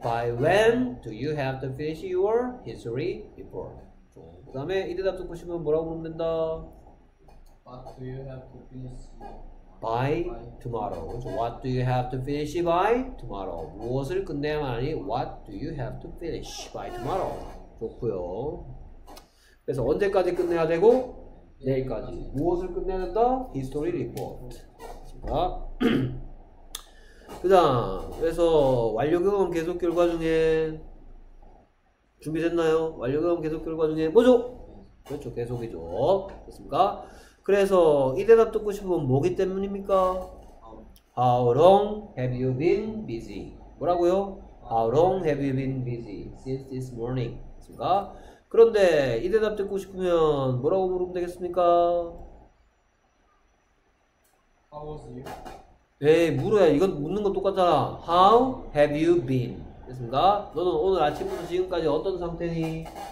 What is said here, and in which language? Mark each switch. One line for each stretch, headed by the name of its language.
English: By when do you have to finish your history report?
Korean: 그 다음에 이 대답 듣고 싶으면 뭐라고 물으면 된다?
English: What do you have to finish by tomorrow? So what do you have to finish by tomorrow?
Korean: 무엇을 끝내야만이?
English: What do you have to finish by tomorrow?
Korean: 좋고요. 그래서 언제까지 끝내야 되고? 내일까지. 무엇을 끝내야 된다? History report. 자. 그 다음 그래서 완료경험 계속 결과 중에 준비됐나요? 완료경험 계속 결과 중에 뭐죠? 그렇죠 계속이죠 됐습니까? 그래서 이 대답 듣고 싶으면 뭐기 때문입니까?
English: How long have you been busy?
Korean: 뭐라고요?
English: How long have you been busy since this morning?
Korean: 됐습니까? 그런데 이 대답 듣고 싶으면 뭐라고 물으면 되겠습니까?
English: How was you?
Korean: 에이 물어야 이건 묻는 거 똑같잖아.
English: How have you been?
Korean: 됐습니까? 너는 오늘 아침부터 지금까지 어떤 상태니?